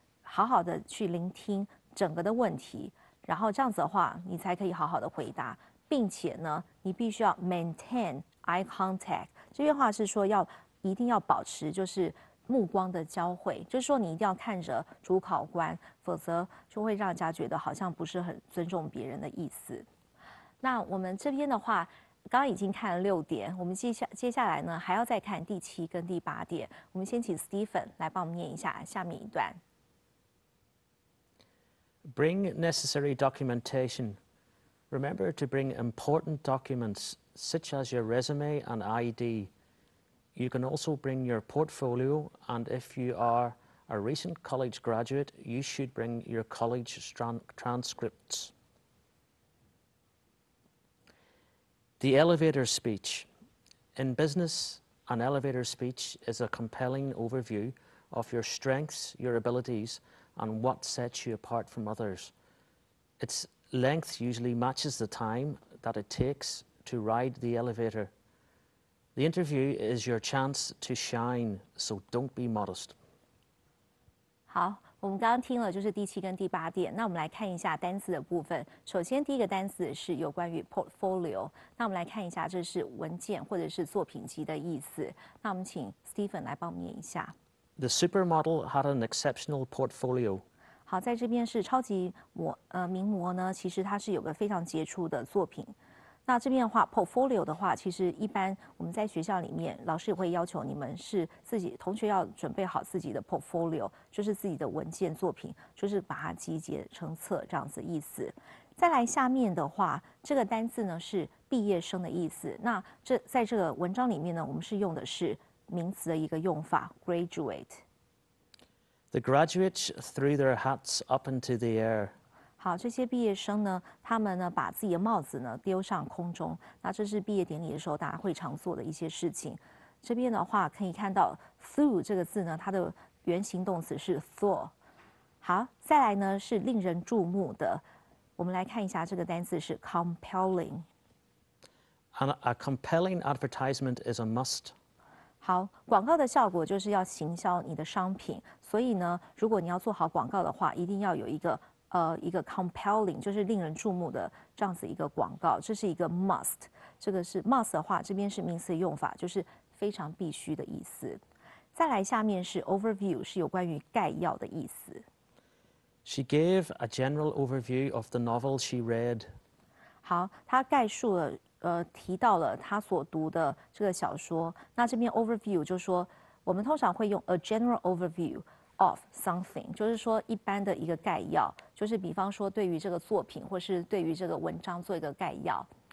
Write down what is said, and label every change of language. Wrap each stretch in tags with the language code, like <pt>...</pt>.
<zh>好好的去聆听整个的问题，然后这样子的话你才可以好好的回答，并且呢你必须要</zh> <en>maintain eye contact，</en> <zh>这句话是说要一定要保持就是目光的交汇，就是说你一定要看着主考官，否则就会让人家觉得好像不是很尊重别人的意思。那我们这边的话刚刚已经看了六点，我们接下来呢还要再看第七跟第八点。我们先请 Stephen 来帮我们念一下下面一段。</zh> <en>Bring necessary documentation. Remember to bring important documents such as your resume and ID. You can also bring your portfolio, and if you are a recent college graduate, you should bring your college transcripts. The elevator speech. In business, an elevator speech is a compelling overview of your strengths, your abilities, and what sets you apart from others. Its length usually matches the time that it takes to ride the elevator. The interview is your chance to shine, so don't be modest.</en> <zh>好，我们刚刚听了就是第七跟第八点，那我们来看一下单词的部分。首先第一个单词是有关于 portfolio， 那我们来看一下这是文件或者是作品集的意思。那我们请 Stephen 来帮我们念一下。</zh> <en>The supermodel had an exceptional portfolio.</en> <zh>好，在这边是超级名模呢，其实它是有个非常杰出的作品。那这边的话 portfolio 的话，其实一般我们在学校里面老师也会要求你们是自己同学要准备好自己的 portfolio， 就是自己的文件作品，就是把它集结成册这样子意思。再来下面的话，这个单字呢是毕业生的意思。那这在这个文章里面呢，我们是用的是名词的一个用法 graduate。</zh> <en>The graduates threw their hats up into the air。</en> <zh>好，这些毕业生呢，他们呢把自己的帽子呢丢上空中，那这是毕业典礼的时候大家会常做的一些事情。这边的话可以看到 threw 这个字呢，它的原形动词是 throw。好，再来呢是令人注目的，我们来看一下这个单词是 compelling。</zh> <en>And a compelling advertisement is a must。</en> <zh>好，广告的效果就是要行销你的商品，所以呢如果你要做好广告的话，一定要有一个 compelling， 就是令人注目的这样子一个广告，这是一个 must。这个是 must 的话，这边是名词用法，就是非常必须的意思。再来下面是 overview， 是有关于概要的意思。</zh> <en>She gave a general overview of the novel she read.</en> <zh>好，她概述了提到了她所读的这个小说。那这边 overview 就是说我们通常会用</zh> <en>a general overviewOf something，</en> <zh>就是说一般的一个概要，就是比方说对于这个作品或是对于这个文章做一个概要。</zh>